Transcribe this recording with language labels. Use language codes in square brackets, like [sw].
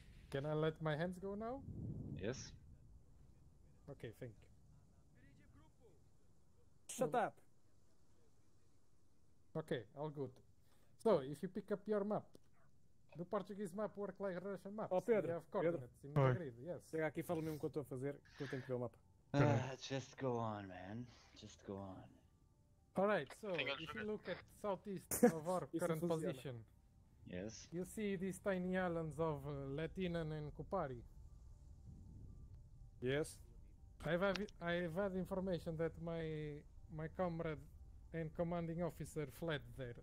[en] Can I let my hands go now? Yes. Okay, thank you. Shut up! Okay, all good. So, if you pick up your map, the Portuguese map work like Russian maps. Oh, Pedro! You have coordinates in the grid, yes. [pt] Chega aqui e fala mesmo o que eu estou a fazer, que eu tenho que ver o mapa. [en] Just go on, man. Just go on. Alright, so, if you look at southeast of our current position. Yes. You see these tiny islands of Letinen and Kupari? Yes. I've had information that my comrade and commanding officer fled there.